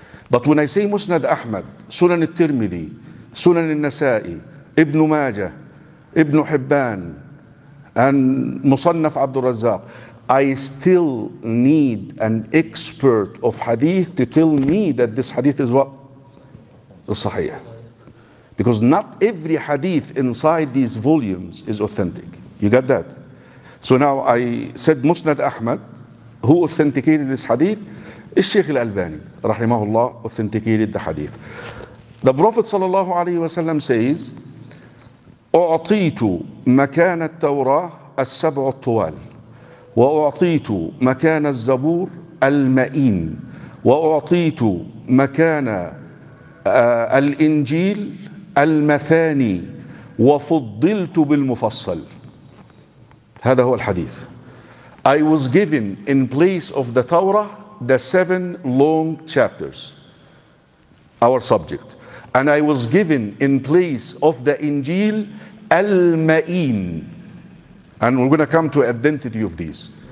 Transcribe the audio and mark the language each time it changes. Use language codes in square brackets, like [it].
[en] But when I say Musnad Ahmad, Sunan al-Tirmidhi, Sunan al-Nasa'i, Ibn Majah, Ibn Hibban, and Musannaf Abdul Razzaq, I still need an expert of hadith to tell me that this hadith is what? Sahih. Because not every hadith inside these volumes is authentic. You got that? So now I said Musnad Ahmad, who authenticated this hadith? Al-Sheikh Al-Albani, rahimahullah, authenticated the hadith. The Prophet sallallahu alayhi wa sallam says, [ar] أعطيت مكان التوراة السبع الطوال وأعطيت مكان الزبور المئين وأعطيت مكان الإنجيل المثاني وفضلت بالمفصل. هذا هو الحديث. [en] I was given in place of the Torah the seven long chapters, our subject, and I was given in place of the Injil Al-Ma'in, and we're going to come to identity of these.